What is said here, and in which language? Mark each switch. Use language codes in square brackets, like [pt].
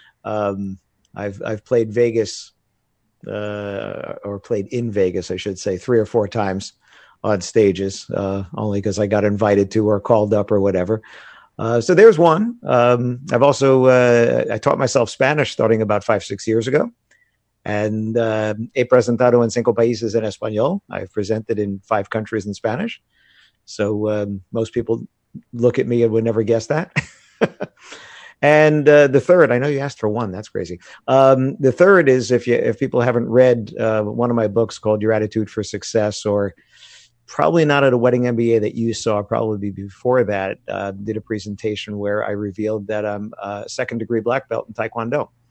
[en] I've played Vegas or played in Vegas, I should say, 3 or 4 times on stages, only because I got invited to or called up or whatever. So there's one. I've also I taught myself Spanish starting about 5-6 years ago. [es] And he presentado en 5 países en español. [en] I've presented in 5 countries in Spanish. So most people look at me and would never guess that. And the third, I know you asked for one. That's crazy. The third is if people haven't read one of my books called Your Attitude for Success, or probably not at a wedding MBA that you saw, probably before that, did a presentation where I revealed that I'm a second degree black belt in Taekwondo.